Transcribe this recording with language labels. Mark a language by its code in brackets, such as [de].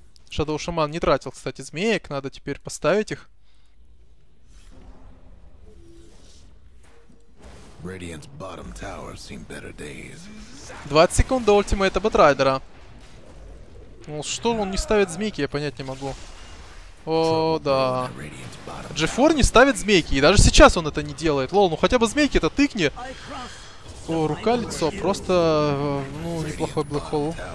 [ru] Shadow Shaman не тратил, кстати, змеек. Надо теперь поставить их. [en] Radiant's bottom tower seen better days. [ru] 20 секунд до ультимейта Бэтрайдера. Ну что он не ставит змейки, я понять не могу. О, да. Джефор не ставит змейки, и даже сейчас он это не делает. Лол, ну хотя бы змейки-то тыкни. О, рука-лицо, просто, ну, неплохой блэкхолл.